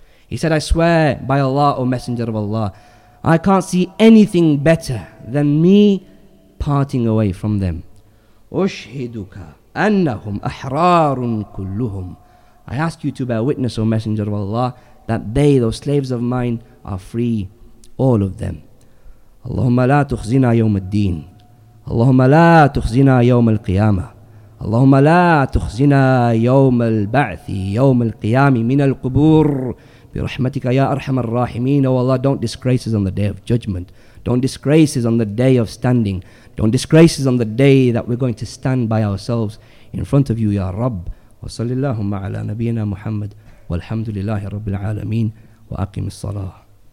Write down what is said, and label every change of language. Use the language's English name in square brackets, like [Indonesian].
[English] He said, I swear by Allah, O Messenger of Allah, I can't see anything better than me parting away from them. [Arabic] Ushhiduka annahum ahrarun kulluhum. [English] I ask you to bear witness, O Messenger of Allah, that they, those slaves of mine, are free, all of them. [Arabic] اللهم لا تخزنا يوم الدين اللهم لا تخزنا يوم القيامة اللهم لا تخزنا يوم البعث يوم القيام من القبور برحمتك يا أرحم الراحمين. [English] Oh Allah, don't disgrace us on the day of judgment. Don't disgrace us on the day of standing. Don't disgrace us on the day that we're going to stand by ourselves in front of you, [Arabic] يا رب. وصلى اللهم على نبينا محمد والحمد لله رب العالمين وأقم الصلاة.